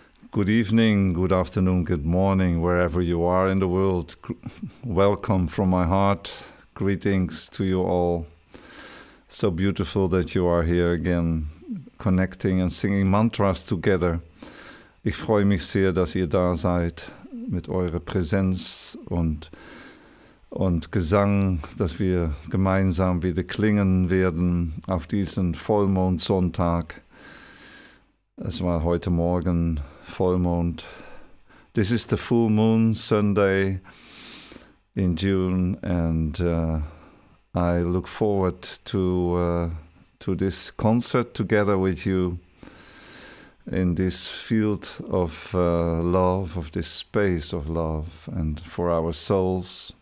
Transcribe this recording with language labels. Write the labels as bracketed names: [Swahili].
[English] Good evening, good afternoon, good morning, wherever you are in the world. Welcome from my heart. Greetings to you all. So beautiful that you are here again, connecting and singing mantras together. [German] Ich freue mich sehr, dass ihr da seid mit eurer Präsenz und Gesang, dass wir gemeinsam wieder klingen werden auf diesen Vollmondsonntag. Es war heute Morgen Vollmond. [English] This is the full moon Sunday in June, and I look forward to this concert together with you in this field of love, of this space of love, and for our souls.